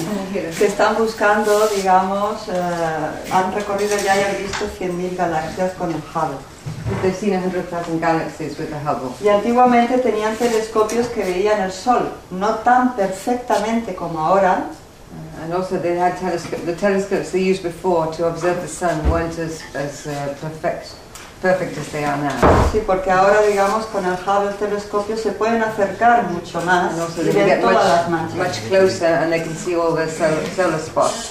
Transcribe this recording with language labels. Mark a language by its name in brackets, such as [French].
[Spanish] Que están buscando, digamos, han recorrido ya y han visto 100.000 galaxias con el Hubble. [English] They've seen 100,000 galaxies with the Hubble. [Spanish] Y antiguamente tenían telescopios que veían el Sol, no tan perfectamente como ahora. [English] And also they had the telescopes they used before to observe the Sun weren't as perfect as they are now. [Spanish] Sí, porque ahora, digamos, con el Hubble telescopio se pueden acercar mucho más. [English] And also they can get much closer and they can see all the solar spots.